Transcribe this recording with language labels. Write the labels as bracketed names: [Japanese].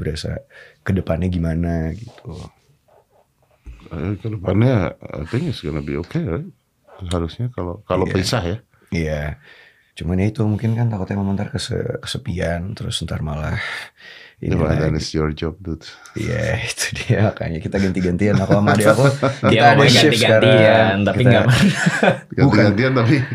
[Indonesian] Berasa kedepannya gimana gitu. Kedepannya [English] I think it's gonna be okay, right? [Indonesian] Harusnya kalau pisah ya. Iya. Cuman ya itu mungkin kan takutnya mama ntar kesepian. Terus ntar malah ini lah. [English] Then it's your job, dude. [Indonesian] Iya itu dia. Makanya kita ganti-gantian. Aku sama dia aku. Dia ada shift sekarang. Tapi kita, gak. Ganti-gantian tapi.